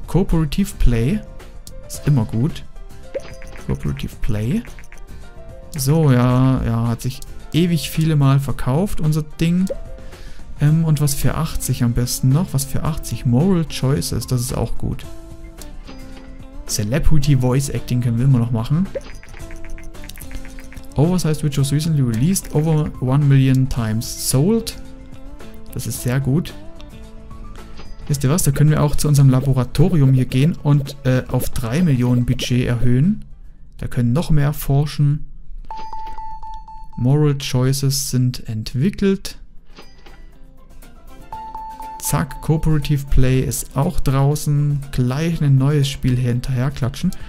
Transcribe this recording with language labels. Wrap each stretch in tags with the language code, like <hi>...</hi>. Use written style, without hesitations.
<de>Cooperative Play. Ist immer gut. Cooperative Play. So, ja, hat sich ewig viele Mal verkauft, unser Ding. Und was für 80 am besten noch? Was für 80? Moral Choices, das ist auch gut. Celebrity Voice Acting können wir immer noch machen.</de> <en>Oversized, which was recently released over 1 million times sold.</en> <de>Das ist sehr gut. Wisst ihr was? Da können wir auch zu unserem Laboratorium hier gehen und auf 3 Millionen Budget erhöhen. Da können noch mehr forschen. Moral Choices sind entwickelt. Zack, Cooperative Play ist auch draußen. Gleich ein neues Spiel hier hinterher klatschen.</de>